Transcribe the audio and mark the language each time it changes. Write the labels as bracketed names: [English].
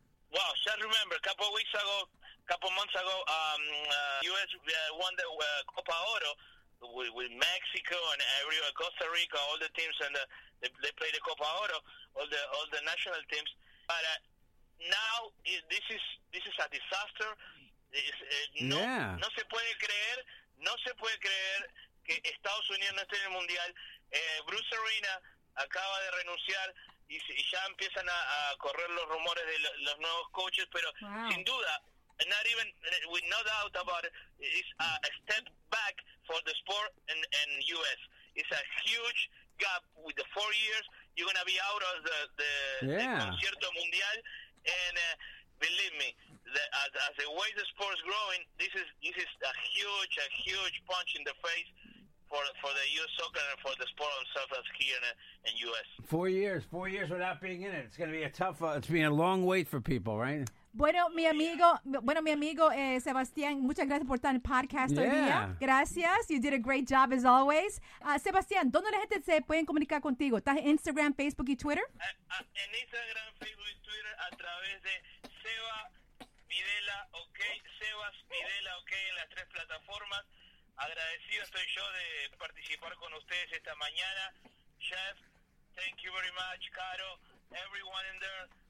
[English] Well, just remember, a couple of weeks ago, a couple of months ago, U.S. Won the Copa Oro with Mexico and everywhere, Costa Rica, all the teams, and they played the Copa Oro, all the national teams. But now this is a disaster. [Spanish] No se puede creer, no se puede creer que Estados Unidos no esté en el Mundial. Bruce Arena acaba de renunciar y ya empiezan a correr los rumores de los nuevos coaches, pero wow. [English] Sin duda, not even with no doubt about it, it's a step back for the sport in U.S. It's a huge gap with the 4 years, you're going to be out of the concierto mundial, and believe me, as the way the sport's growing, this is a huge punch in the face for the U.S. soccer and for the sport itself as here in U.S. 4 years without being in it. It's going to be a tough, it's been a long wait for people, right? [Spanish] Bueno, mi amigo, Sebastián, muchas gracias por estar en el podcast hoy día. Gracias. [English] You did a great job, as always. Sebastián, ¿dónde la gente se pueden comunicar contigo? [Spanish] ¿Estás en Instagram, Facebook y Twitter? En Instagram, Facebook y Twitter, a través de Seba Videla, ok. Sebas Videla, ok, en las tres plataformas. Agradecido estoy yo de participar con ustedes esta mañana. [English] Chef, thank you very much, Caro, everyone in there.